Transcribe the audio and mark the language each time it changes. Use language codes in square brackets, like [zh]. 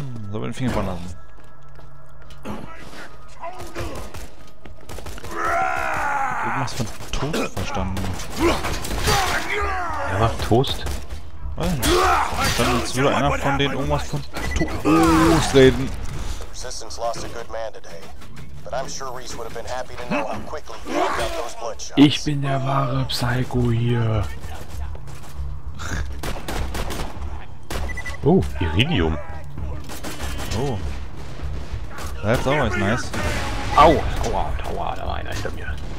[de] Soll man den Finger fallen lassen. Irgendwas von Toast verstanden. Er macht Toast? Dann ist wieder einer von denen irgendwas von Toast reden. [en] Resistance lost a good man today. But I'm sure Reese would have been happy to know how quickly he picked up those blood shots. [de] Ich bin der wahre Psycho hier. Oh, Iridium. [en] Oh. That's always nice. [de] Au, au, au, au, au, da war einer hinter mir.